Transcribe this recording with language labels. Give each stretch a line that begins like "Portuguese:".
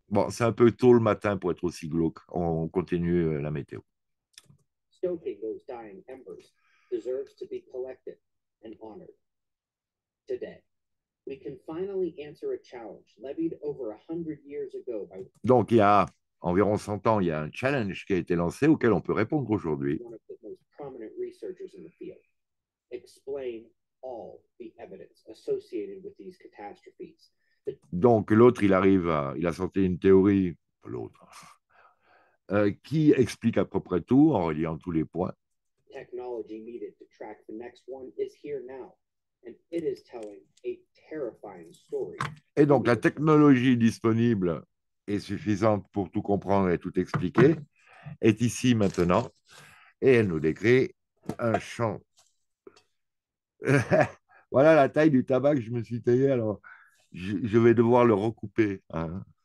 French: C'est un peu tôt le matin pour être aussi glauque. On continue la météo.
English: Stoking those dying embers deserves to be collected and honored today. We can finally answer a challenge levied over 100 years ago by.
French: Donc il y a environ 100 ans, il y a un challenge qui a été lancé auquel on peut répondre aujourd'hui.
English: One of the most prominent researchers in the field. Explain all the evidence associated with these catastrophes.
French: Donc l'autre, il a sorti une théorie, l'autre, qui explique à peu près tout en reliant tous les points.
English: Technology needed to track the next one is here now. And it is telling a terrifying story.
French: Et donc la technologie disponible est suffisante pour tout comprendre et tout expliquer. est ici maintenant et elle nous décrit un champ. Voilà la taille du tabac que je me suis taillé, alors je vais devoir le recouper. Hein.